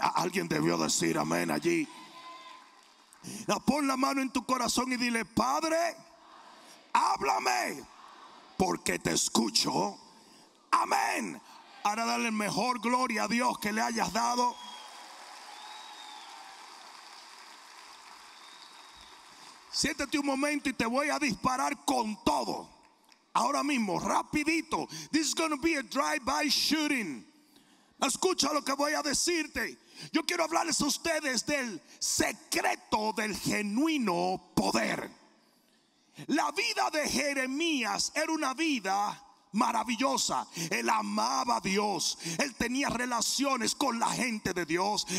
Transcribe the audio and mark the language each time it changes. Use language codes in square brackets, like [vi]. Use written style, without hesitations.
[es] Alguien debió decir amén allí. Pon la mano en tu corazón y dile: Padre, háblame, porque te escucho. Amén. Ahora dale mejor gloria a Dios que le hayas dado. Siéntate un momento y te voy a disparar con todo. Ahora mismo, rapidito. [en] This is going to be a drive-by shooting. [es] Escucha lo que voy a decirte. Yo quiero hablarles a ustedes del secreto del genuino poder. La vida de Jeremías era una vida maravillosa. Él amaba a Dios. Él tenía relaciones con la gente de Dios.